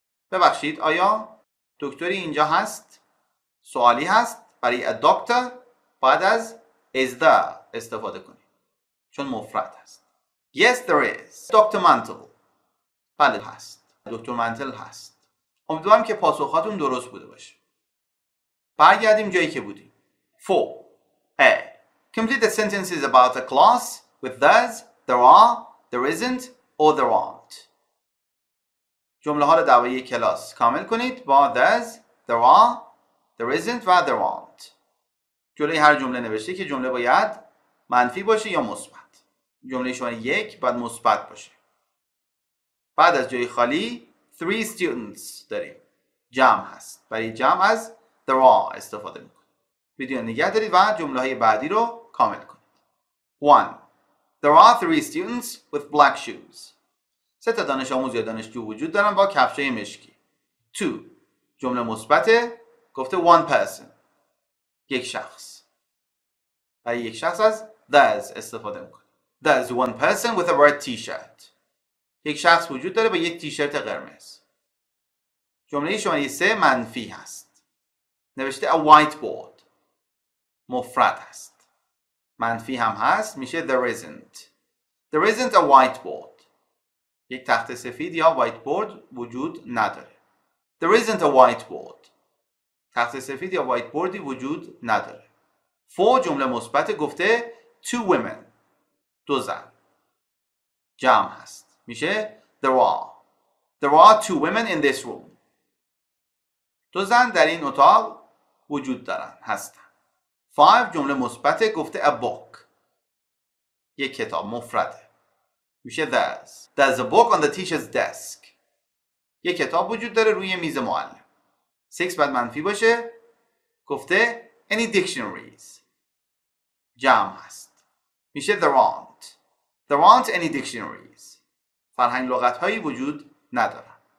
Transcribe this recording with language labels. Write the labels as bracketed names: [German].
[Persian] ببخشید، آیا؟ دکتری اینجا هست؟ سوالی هست، برای a doctor بعد از is there استفاده کنیم چون مفرد هست. [English] Yes, there is. Dr. Mantle. [Persian] بله هست. دکتر منتل هست. امیدوارم که پاسخاتون درست بوده باشه. برگردیم جایی که بودیم. 4. A. [English] Complete the sentences about a class with does, there are, there isn't, or there aren't. [Persian] جمله ها رو درباره کلاس کامل کنید با [English] does, there are, there isn't, or there aren't. [Persian] جلوی هر جمله نوشته که جمله باید منفی باشه یا مثبت. جمله شماره یک باید مثبت باشه. بعد از جای خالی three students داریم. جمع هست. برای جمع از there are استفاده میکنیم. ویدیو نگه دارید و جمله های بعدی رو کامل کنید. [English] One. There are three students with black shoes. [Persian] سه تا دانش آموز یا دانشجو وجود دارن با کفشای مشکی. Two. جمله مثبته. گفته one person. یک شخص. برای یک شخص از there's استفاده میکنیم. [English] There's one person with a red t-shirt. [Persian] یک شخص وجود داره با یک تیشرت قرمز. جمله شماره 3 منفی هست. نوشته a whiteboard. مفرد هست. منفی هم هست میشه there isn't. [English] There isn't a whiteboard. [Persian] یک تخت سفید یا whiteboard وجود نداره. [English] There isn't a whiteboard. [Persian] تخت سفید یا whiteboardی وجود نداره. 4 جمله مثبت گفته two women. دو زن. جمع هست. میشه [English] there are two women in this room. [Persian] دو زن در این اتاق وجود دارن هستن. 5 جمله مثبت گفته a book. یک کتاب مفرده. میشه [English] there's a book on the teacher's desk. [Persian] یک کتاب وجود داره روی میز معلم. 6 بعد منفی باشه گفته any dictionaries. جمع هست. میشه [English] there aren't any dictionaries. [Persian] فرهنگ لغت هایی وجود ندارن.